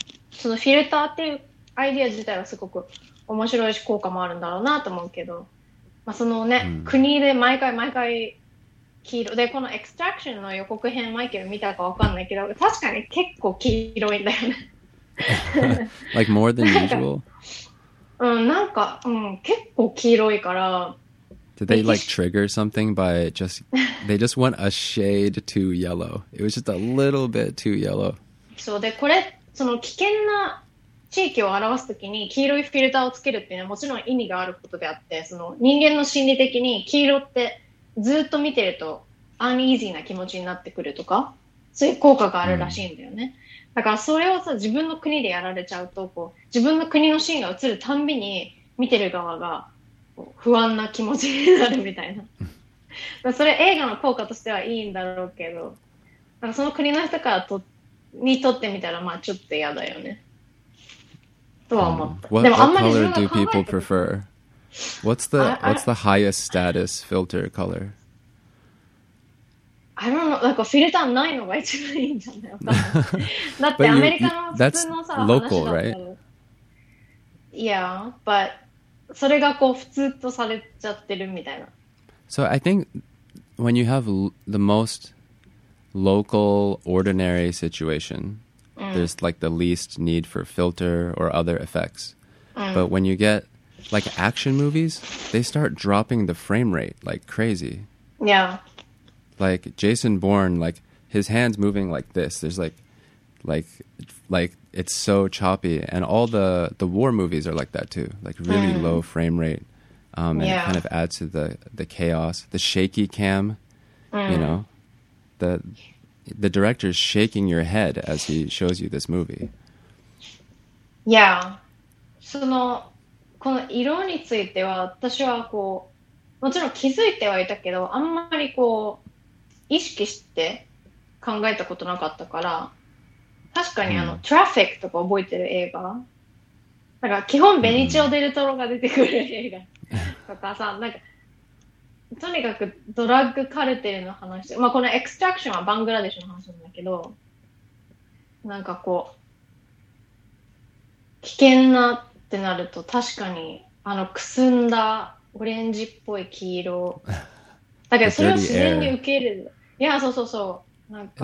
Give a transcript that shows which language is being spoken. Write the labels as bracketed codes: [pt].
[ja] そのフィルターっていうアイディア自体はすごく面白いし効果もあるんだろうなと思うけど、まあ、そのね、国で毎回毎回黄色で、このエクストラクションの予告編マイケル見たかわかんないけど、確かに結構黄色いんだよね。 [en] Like more than usual? [ja] うん、なんか、うん、結構黄色いから。 [en] Did they like trigger something by just, they just went a shade too yellow. It was just a little bit too yellow. [ja] そうで、これ、その危険な地域を表すときに黄色いフィルターをつけるっていうのはもちろん意味があることであって、その人間の心理的に黄色ってずっと見てるとアンイージーな気持ちになってくるとか、そういう効果があるらしいんだよね。だからそれをさ、自分の国でやられちゃうと、こう、自分の国のシーンが映るたんびに見てる側が、不安な気持ちになるみたいな。それ映画の効果としてはいいんだろうけど、なんかその国の人からとにとってみたら、まあちょっと嫌だよね。とは思った。でもあんまり [en] color do people prefer? What's the highest status filter color? I don't know. [ja] なんかフィルターないのが一番いいんじゃない？だってアメリカの普通のさ、 [en] that's local, right? Yeah, but. [ja] それがこう普通とされちゃってるみたいな。 [en] So I think when you have the most local ordinary situation, there's like the least need for filter or other effects. But when you get like action movies, they start dropping the frame rate like crazy. Yeah. Like Jason Bourne, like his hands moving like this. There's like it's so choppy, and all the war movies are like that too, like really low frame rate, and it kind of adds to the chaos, the shaky cam, you know, the director is shaking your head as he shows you this movie. [ja] Yeah, そのこの色については私はこうもちろん気づいてはいたけど、あんまりこう意識して考えたことなかったから。確かにトラフィックとか覚えてる映画、なんか基本ベニチオ・デルトロが出てくる映画とかさ、なんかとにかくドラッグカルテルの話、まあ、このエクストラクションはバングラデシュの話なんだけど、なんかこう危険なってなると確かにくすんだオレンジっぽい黄色だけど、それを自然に受け入れる、いやそうそうそう、なんか